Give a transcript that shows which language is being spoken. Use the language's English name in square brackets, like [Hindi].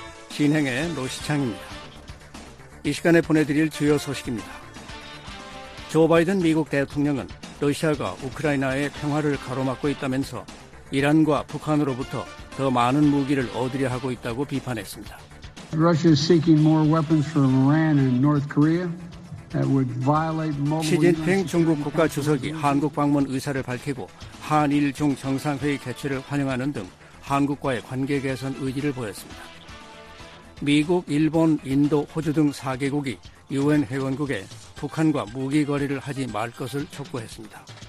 [Korean] 진행의 노시창입니다. 이 시간에 보내드릴 주요 소식입니다. 조 바이든 미국 대통령은 러시아가 우크라이나의 평화를 가로막고 있다면서 이란과 북한으로부터 더 많은 무기를 얻으려 하고 있다고 비판했습니다. [English] Russia is seeking more weapons from Iran and North Korea that would violate mobile. [Korean] 시진핑 중국 국가주석이 한국 방문 의사를 밝히고 한일 중 정상회의 개최를 환영하는 등 한국과의 관계 개선 의지를 보였습니다. 미국, 일본, 인도, 호주 등 4개국이 유엔 회원국에 북한과 무기 거래를 하지 말 것을 촉구했습니다.